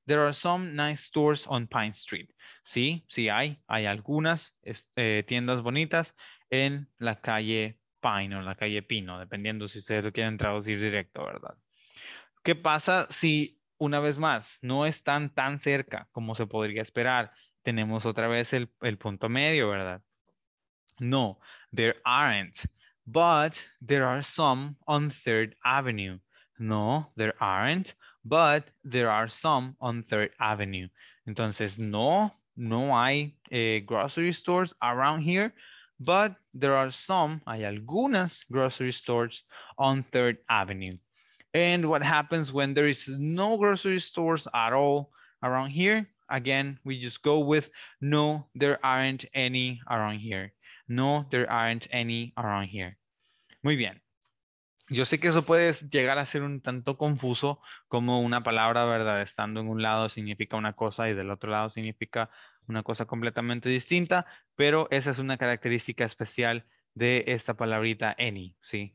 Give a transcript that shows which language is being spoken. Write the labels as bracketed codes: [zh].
[en] There are some nice stores on Pine Street. [es] Sí, sí hay. Hay algunas tiendas bonitas en la calle Pine o la calle Pino, dependiendo si ustedes lo quieren traducir directo, ¿verdad? ¿Qué pasa si, una vez más, no están tan cerca como se podría esperar? Tenemos otra vez el punto medio, ¿verdad? [en] No, there aren't. But there are some on Third Avenue. No, there aren't. But there are some on Third Avenue. [es] Entonces, no hay [en] grocery stores around here. But there are some, [es] hay algunas [en] grocery stores on Third Avenue. And what happens when there is no grocery stores at all around here? Again, we just go with no, there aren't any around here. No, there aren't any around here. [es] Muy bien. Yo sé que eso puede llegar a ser un tanto confuso, como una palabra, ¿verdad? Estando en un lado significa una cosa y del otro lado significa una cosa completamente distinta, pero esa es una característica especial de esta palabrita any, ¿sí?